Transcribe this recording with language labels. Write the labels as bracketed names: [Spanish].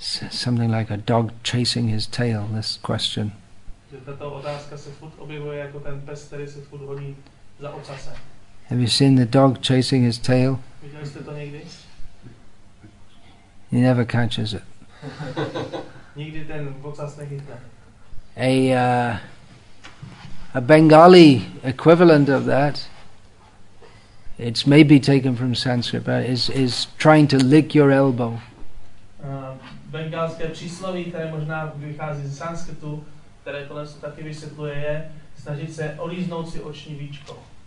[English] Something like a dog chasing his tail, this question. [Czech] Tato otázka se furt objevuje jako ten pes, který se furt honí za ocasem. [English] Have you seen the dog chasing his tail? [Czech] Viděli jste to někdy? [English] He never catches it. [Czech] Nikdy ten vocas nechytne. [English] A Bengali equivalent of that, it's maybe taken from Sanskrit, but is trying to lick your elbow. [Czech] Bengalské přísloví, které možná vychází z sanskritu, které tohle se taky vysvětluje, je snažit se olíznout si oční víčko.